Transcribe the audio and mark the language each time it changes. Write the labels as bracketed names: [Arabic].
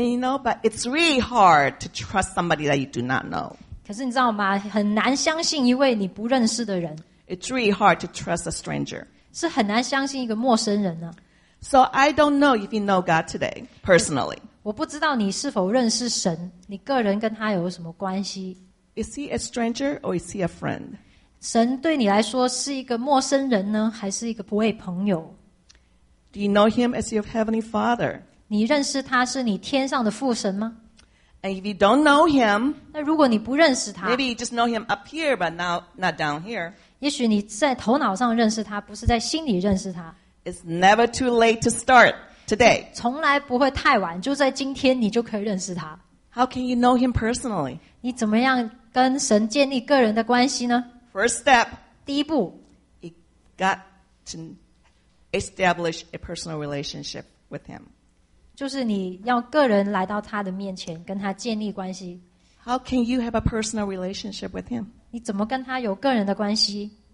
[English] you know, but it's really hard to trust somebody that you do not know. [Chinese] 可是你知道吗？很难相信一位你不认识的人。 [English] It's really hard to trust a stranger. [Chinese] 是很难相信一个陌生人呢。 [English] So I don't know if you know God today, personally. [Chinese] 我不知道你是否认识神，你个人跟他有什么关系？ [English] Is he a stranger or is he a friend? [Chinese] 神对你来说是一个陌生人呢，还是一个不为朋友？ [English] Do you know him as your heavenly father? [Chinese] 你认识他是你天上的父神吗？ [English] And if you don't know him, [Chinese] 那如果你不认识他, [English] maybe you just know him up here, but not down here. [Chinese] 也许你在头脑上认识他，不是在心里认识他。 [English] It's never too late to start today. [Chinese] 从来不会太晚，就在今天你就可以认识他。 [English] How can you know him personally? [Chinese] 你怎么样跟神建立个人的关系呢？ [English] First step, [Chinese] 第一步, [English] you got to establish a personal relationship with him. [Chinese] 就是你要个人来到他的面前，跟他建立关系。 [English] How can you have a personal relationship with him? [Chinese] 你怎么跟他有个人的关系？